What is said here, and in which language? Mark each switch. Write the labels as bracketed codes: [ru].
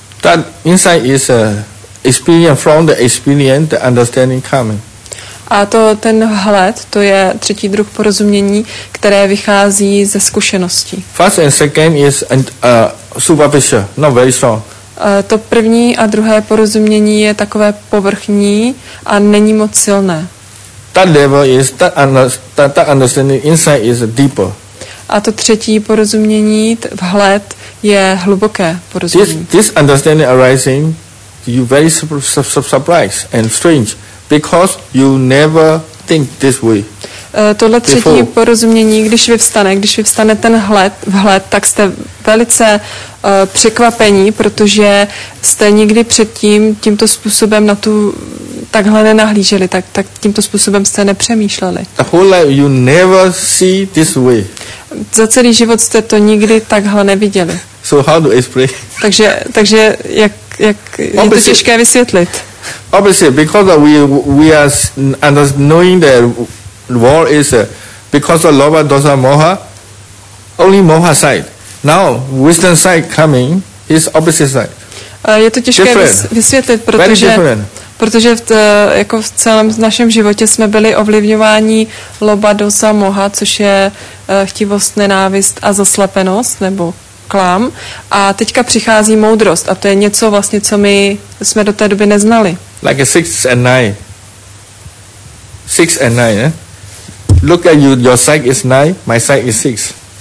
[en] That insight is experience from the experience, the understanding coming. [cs] A to ten hled, to je třetí druh porozumění, které vychází ze zkušeností. [en] First and second is superficial, not very strong. [cs] To první a druhé porozumění je takové povrchní a není moc silné. [en] That level is that understanding insight is deeper. [cs] A to třetí porozumění, vhled, je hluboké porozumění. [en] This understanding arising, you very surprised and strange, because you never think this way. [cs] Tohle třetí [en] before. [cs] Porozumění, když vyvstane ten vhled, tak jste velice překvapení, protože jste nikdy předtím tímto způsobem na tu takhle nenahlíželi, tak tímto způsobem jste nepřemýšleli. [en] The whole life you never see this way. [cs] Za celý život jste to nikdy takhle neviděli. [en] So how to explain? [cs] Takže jak je to těžké vysvětlit? [en] Obviously, because we are knowing that war is because of lower dosa moha, only moha side. Now wisdom side coming is opposite side. [cs] Je to těžké vysvětlit, protože jako v celém našem životě jsme byli ovlivňováni loba, dosa, moha, což je chtivost, nenávist a zaslepenost, nebo klam. A teďka přichází moudrost a to je něco vlastně, co my jsme do té doby neznali. [en] Like a 6 and 9. 6 and 9, eh? Look at you, your side is 9, my side is 6.